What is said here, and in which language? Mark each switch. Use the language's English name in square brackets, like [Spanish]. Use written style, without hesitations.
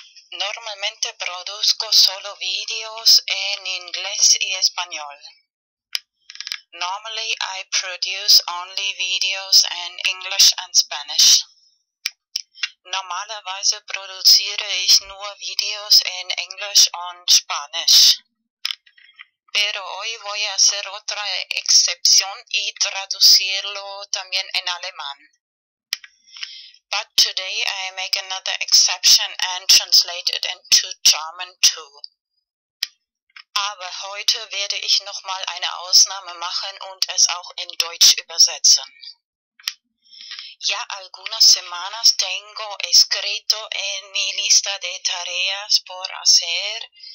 [Spanish] Normalmente produzco solo videos en inglés y español. [English] Normally I produce only videos in English and Spanish. [German] Normalerweise produziere ich nur videos [Spanish] en inglés y español. Pero hoy voy a hacer otra excepción y traducirlo también en alemán. [English] But today I make another exception and translate it into German too. [German] Aber heute werde ich nochmal eine Ausnahme machen und es auch in Deutsch übersetzen. [Spanish] Ya algunas semanas tengo escrito en mi lista de tareas por hacer.